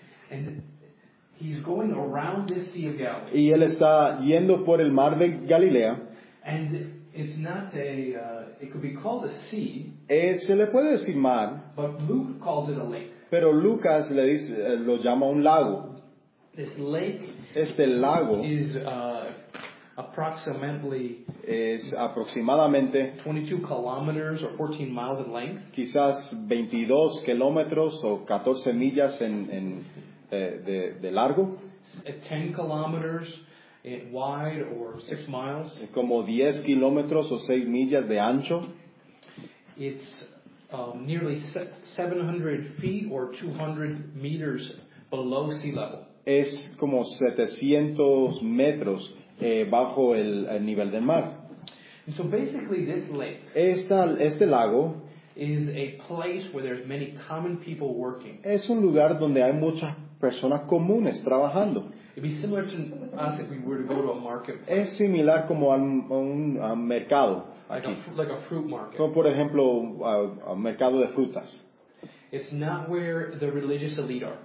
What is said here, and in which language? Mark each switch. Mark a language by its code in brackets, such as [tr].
[en] And he's going around the Sea of Galilee. [es] Y él está yendo por el mar de Galilea. [en] And it's not a, it could be called a sea. [es] Se le puede decir mar. [en] But Luke calls it a lake. [es] Pero Lucas le dice, lo llama un lago. [en] This lake. [es] Este lago. [en] Is approximately. [es] Es aproximadamente. [en] 22 kilometers or 14 miles in length. [es] Quizás 22 kilómetros o 14 millas en de largo. [en] 10 kilometers wide or 6 miles. [es] Como 10 kilómetros o 6 millas de ancho. [en] It's nearly 700 feet or 200 meters below sea level. [es] Es como 700 metros bajo el nivel del mar. [en] And so basically this lake. [es] Este lago. [en] Is a place where there's many common people working. [es] Es un lugar donde hay muchas personas comunes trabajando. [en] It'd be similar to us if we were to go to a market. [es] Es similar como a un mercado. [en] Like a fruit market. [es] Como por ejemplo a mercado de frutas. [en] It's not where the religious elite are.